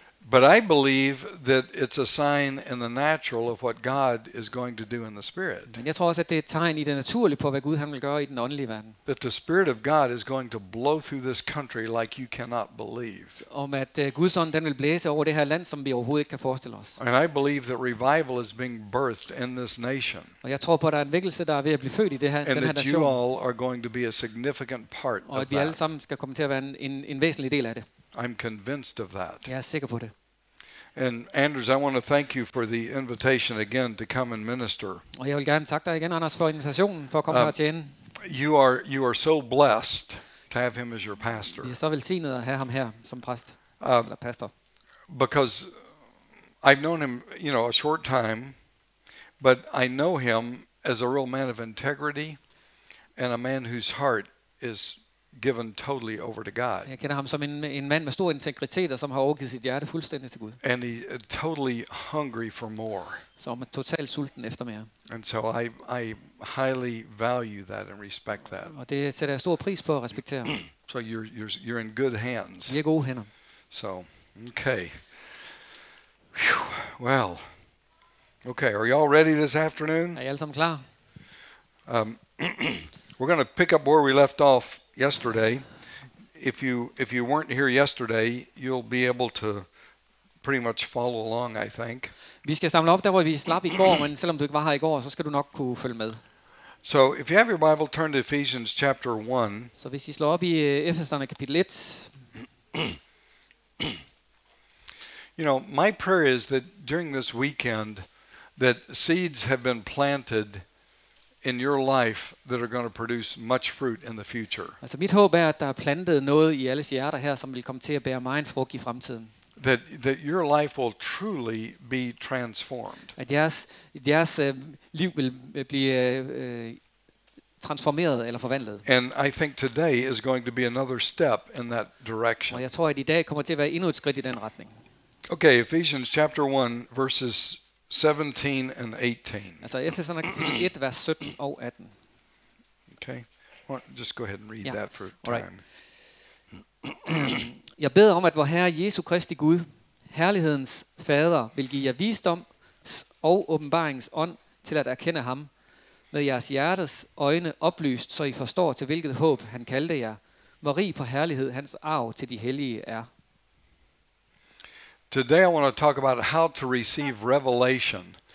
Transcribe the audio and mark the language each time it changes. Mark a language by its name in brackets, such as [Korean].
[English] But I believe that it's a sign in the natural of what God is going to do in the spirit. [Danish] Men jeg tror også, at det er et tegn i det naturlige på, hvad Gud han vil gøre i den åndelige verden. [English] That the spirit of God is going to blow through this country like you cannot believe. [Danish] Om at Guds ånd den vil blæse over det her land, som vi overhovedet ikke kan forestille os. [English] And I believe that revival is being birthed in this nation. [Danish] Og jeg tror på, at der er en vækkelse, der er ved at blive født i det her den her nation. [English] And you all are going to be a significant part of that. [Danish] Og at vi alle sammen skal komme til at være en væsentlig del af det. [English] I'm convinced of that. [Danish] Jeg er sikker på det. [English] And Anders, I want to thank you for the invitation again to come and minister. [Danish] Og jeg vil gerne takke dig igen, Anders, for invitationen for at komme her til ende. [English] You are so blessed to have him as your pastor. [Danish] Vi er så velsignet at have ham her som præst eller pastor. [English] Because I've known him, you know, a short time, but I know him as a real man of integrity and a man whose heart is given totally over to God. [Danish] Jeg kender ham som en mand med stor integritet og som har overgivet sit hjerte fuldstændig til Gud. [English] And he totally hungry for more. [Danish] Som er totalt sulten efter mere. [English] And so I highly value that and respect that. [Danish] Og det sætter jeg stor pris på og respekterer. [English] So you're in good hands. [Danish] Vi er gode hænder. So okay. Whew. Well. [English] Okay, are you all ready this afternoon? [Danish] Er I alle sammen klar? [English] we're going to pick up where we left off yesterday. If you weren't here yesterday, you'll be able to pretty much follow along, I think. [Danish] Vi skal samle op der hvor vi slap i går, men selvom du ikke var her i går, så skal du nok kunne følge med. [English] So, if you have your Bible, turn to Ephesians chapter 1. [Danish] Så hvis I slår op i Efeserne kapitel 1. [English] You know, my prayer is that during this weekend that seeds have been planted in your life that are going to produce much fruit in the future. [Danish] Altså mit håb er, at der er plantet noget i alles hjerter her, som vil komme til at bære meget frugt i fremtiden. [English] That your life will truly be transformed. [Danish] At jeres liv vil blive transformeret eller forvandlet. [English] And I think today is going to be another step in that direction. [Danish] Og jeg tror, at i dag kommer til at være endnu et skridt i den retning. [English] Okay, Ephesians chapter 1 verses 17 and 18. [Danish] Altså Efeserne 1 vers 17 og 18. Okay. [English] Well, just go ahead and read that for time. Right. [Danish] Jeg beder om at vor Herre Jesu Kristi Gud, herlighedens fader, vil give jer visdom og åbenbarings ånd til at erkende ham med jeres hjertes øjne oplyst, så I forstår til hvilket håb han kaldte jer, hvor rig på herlighed hans arv til de hellige er. [English] Today I want to talk about how to receive revelation.